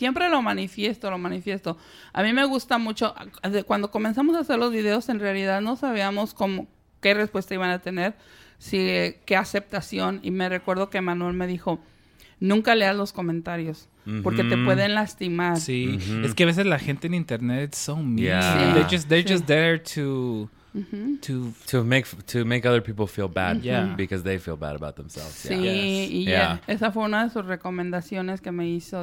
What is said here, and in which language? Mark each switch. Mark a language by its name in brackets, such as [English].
[Spanish] Siempre lo manifiesto. A mí me gusta mucho, cuando comenzamos a hacer los videos, en realidad no sabíamos qué respuesta iban a tener, qué aceptación. Y me recuerdo que Manuel me dijo, nunca leas los comentarios, porque te pueden lastimar. Sí, es que a veces la gente en internet es [English] so mean. Yeah. They're just there to... To make other people feel bad because they feel bad about themselves. [Spanish] Sí, esa fue una de sus recomendaciones que me hizo.